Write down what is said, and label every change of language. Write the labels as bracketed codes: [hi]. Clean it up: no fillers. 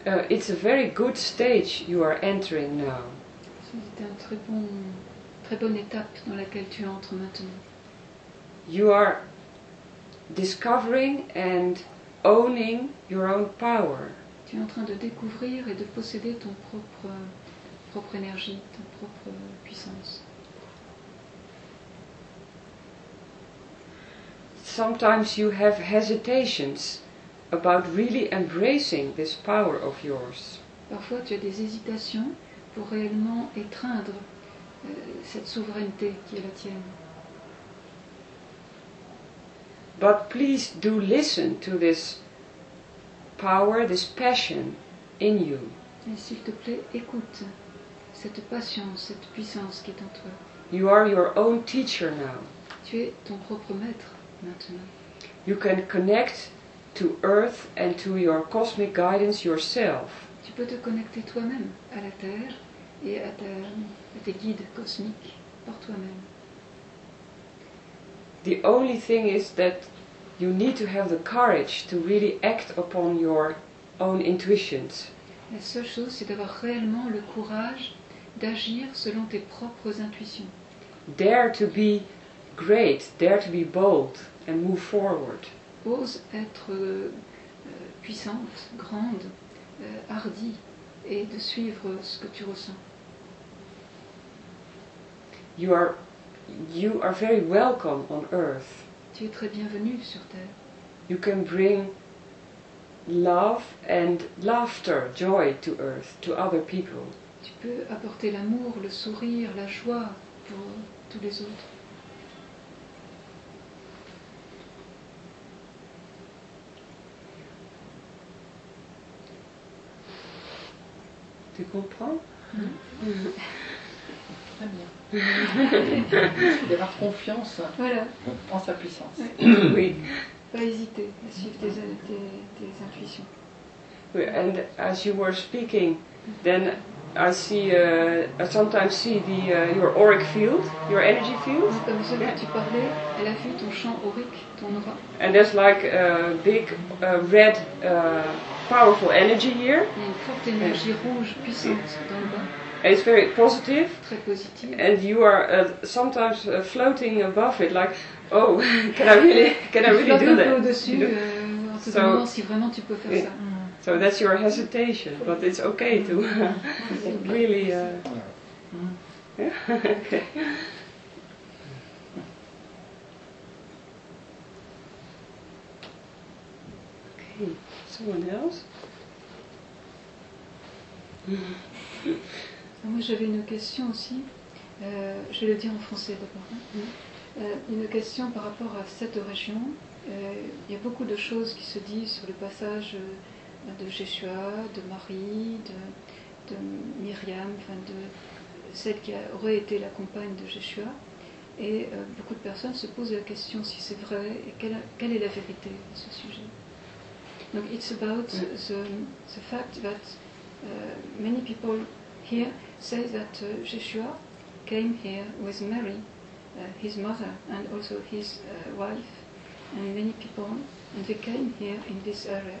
[en] It's a very good stage you are entering now. [fr] C'est une très bonne étape dans laquelle tu entres maintenant. [en] You are discovering and owning your own power. [fr] Tu es en train de découvrir et de posséder ton propre énergie, ton propre puissance. [en] sometimes you have hesitations about really embracing this power of yours. [fr] Parfois tu as des hésitations pour réellement étreindre cette souveraineté qui est la tienne. [en] But please do listen to this power, this passion in you. [fr] Et s'il te plaît, écoute cette passion, cette puissance qui est en toi. [en] You are your own teacher now. [fr] Tu es ton propre maître maintenant. [en] You can connect to Earth and to your cosmic guidance yourself. [fr] Tu peux te connecter toi-même à la Terre et à tes guides cosmiques par toi-même. [en] The only thing is that you need to have the courage to really act upon your own intuitions. [fr] La seule chose, c'est d'avoir réellement le courage d'agir selon tes propres intuitions. [en] Dare to be great, dare to be bold and move forward. [fr] Ose être puissante, grande, hardie et de suivre ce que tu ressens. [en] You are very welcome on Earth. [fr] Tu es très bienvenue sur Terre. [en] You can bring love and laughter, joy to Earth, to other people. [fr] Tu peux apporter l'amour, le sourire, la joie pour tous les autres. Tu comprends? Très bien. D'avoir confiance en sa puissance. Oui. Pas hésiter à suivre tes intuitions. [en] Oui, and as you were speaking, then I see, I sometimes see the your auric field, your energy field. [fr] Comme celui que tu parlais, elle a vu ton champ aurique, ton aura. [en] And there's like a big red powerful energy here. [fr] Il y a une forte énergie rouge puissante dans le bas. [en] It's very positive. [fr] Très positive. [en] And you are sometimes floating above it, like, oh, can I really do that? [fr] Au-dessus, [en] you know? [fr] En te demandant si vraiment tu peux faire ça. [en] So that's your hesitation, but it's okay to really. Okay. Someone else? [fr] Moi, j'avais une question aussi. Je vais le dire en français d'abord. Hein. Une question par rapport à cette région. Il y a beaucoup de choses qui se disent sur le passage de Yeshua, de Marie, de Myriam, enfin de celle qui aurait été la compagne de Yeshua. Et beaucoup de personnes se posent la question si c'est vrai et quelle est la vérité à ce sujet. [en] Donc, it's about the fact that many people here say that Yeshua came here with Mary, his mother, and also his wife, and many people, and they came here in this area.